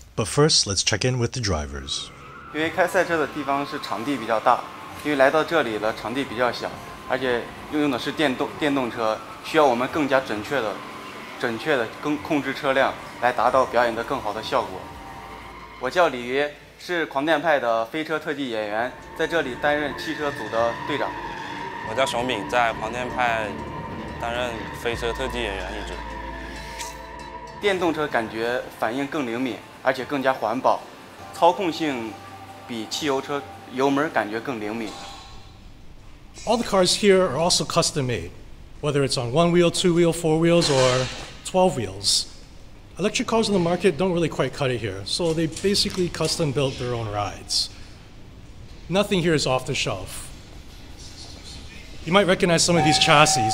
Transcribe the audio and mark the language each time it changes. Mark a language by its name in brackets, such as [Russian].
[English] But first, let's check in with the drivers. Because the place of the car is big, because we came here, the car is small, and we use an electric car, so we need more accurate control the car to achieve a better effect of the performance. My name is Li [Chinese] 是狂电派的飞车特技演员，在这里担任汽车组的队长。我叫小敏，在狂电派担任飞车特技演员一职。电动车感觉反应更灵敏，而且更加环保，操控性比汽油车油门感觉更灵敏。 [English] All the cars here are also custom made, whether it's on one wheel, two wheel, four wheels, or 12 wheels. Electric cars on the market don't really quite cut it here, so they basically custom built their own rides. Nothing here is off the shelf. You might recognize some of these chassis.